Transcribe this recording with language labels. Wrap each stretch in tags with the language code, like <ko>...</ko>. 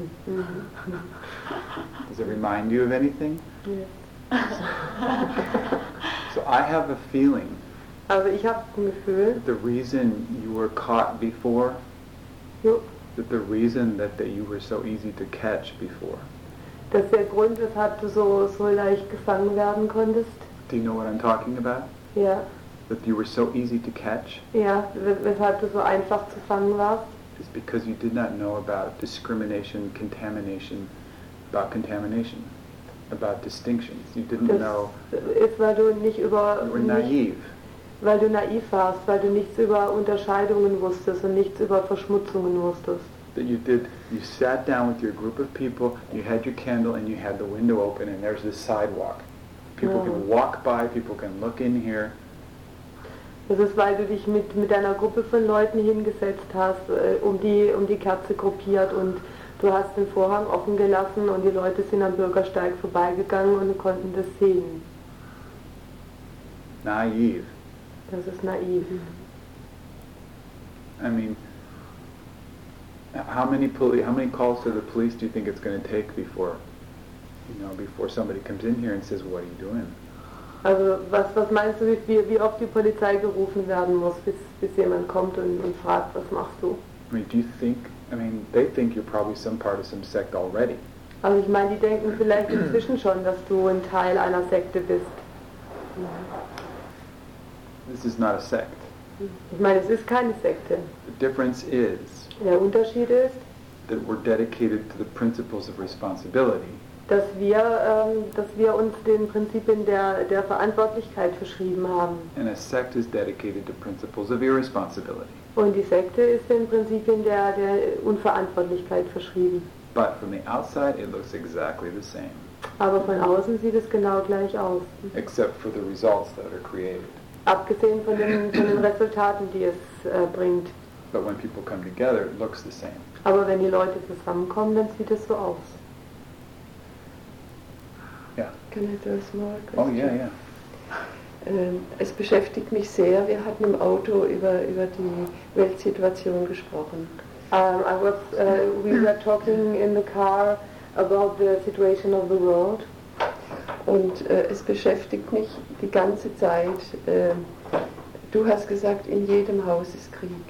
<en>Mm-hmm. Does it remind you of anything? Yeah. So I have a feeling.</en> <de>Also ich habe ein Gefühl,</de> <en>the reason you were caught before, jo. The reason that you were so easy to catch before,</en> <de>dass der Grund, weshalb du so leicht gefangen werden konntest.</de> <en>Do you know what I'm talking about? Yeah. That you were so easy to catch.</en> <de>Yeah, weshalb du so einfach zu fangen warst.</de> <en>It's because you did not know about discrimination, contamination, about distinctions. You didn't</en> <de>das</de> <en>know.</en> <de>Ist, weil du nicht über</de> <en>you were naive.</en> <de>Weil du naiv warst, weil du nichts über Unterscheidungen wusstest und nichts über Verschmutzungen wusstest.</de> <en>That you did, you sat down with your group of people, you had your candle and you had the window open and there's this sidewalk. People can walk by, people can look in here.</en> <de>Das ist, weil du dich mit einer Gruppe von Leuten hingesetzt hast, um die Kerze gruppiert und du hast den Vorhang offen gelassen und die Leute sind am Bürgersteig vorbeigegangen und konnten das sehen. Naiv. Das ist naiv.</de> <en>I mean, how many calls to the police do you think it's going to take before, you know, before somebody comes in here and says, what are you doing?</en> <de>Also, was meinst du, wie oft die Polizei gerufen werden muss, bis jemand kommt und fragt, was machst du?</de> <en>I mean, they think you're probably some part of some sect already.</en> <de>Also, ich meine, die denken vielleicht inzwischen schon, dass du ein Teil einer Sekte bist.</de> <en>This is not a sect.</en> <de>Ich meine, es ist keine Sekte.</de> <en>The difference is.</en> <de>Der Unterschied ist.</de> <en>That we're dedicated to the principles of responsibility.</en> <de>Dass wir uns den Prinzipien der Verantwortlichkeit verschrieben haben.</de> <en>And a sect is dedicated to principles of irresponsibility.</en> <de>Und die Sekte ist den Prinzipien der Unverantwortlichkeit verschrieben.</de> <en>But from the outside, it looks exactly the same.</en> <de>Aber von außen sieht es genau gleich aus.</de> <en>Except for the results that are created.</en> <de>Abgesehen von den Resultaten, die es bringt.</de> <en>But when people come together, it looks the same.</en> <de>Aber wenn die Leute zusammenkommen, dann sieht es so aus.</de> <en>Yeah.</en> <de>Kann ich das mal? Oh ja, ja. Es beschäftigt mich sehr. Wir hatten im Auto über die Weltsituation gesprochen.</de> <en>We were talking in the car about the situation of the world.</en> <de>Und es beschäftigt mich die ganze Zeit. Du hast gesagt, in jedem Haus ist Krieg.</de>